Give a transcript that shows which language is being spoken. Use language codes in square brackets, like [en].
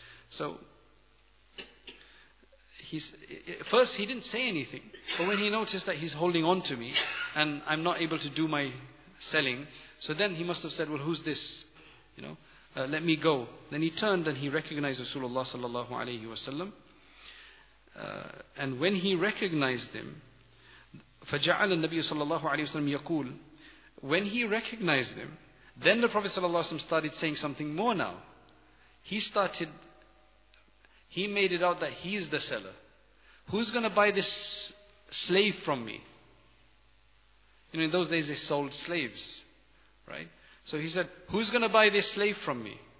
[en] So, first he didn't say anything, but when he noticed that he's holding on to me, and I'm not able to do my selling, so then he must have said, "Well, who's this? You know, let me go." Then he turned and he recognized Rasulullah sallallahu alaihi wasallam. And when he recognized him, [ar] فَجَعَلَ النَّبِيُّ صَلَّى اللَّهُ عَلَيْهِ وَسَلَّمْ يَقُولُ. [en] When he recognized him, then the Prophet ﷺ started saying something more now. He made it out that he is the seller. Who's going to buy this slave from me? You know, in those days they sold slaves, right? So he said, who's going to buy this slave from me?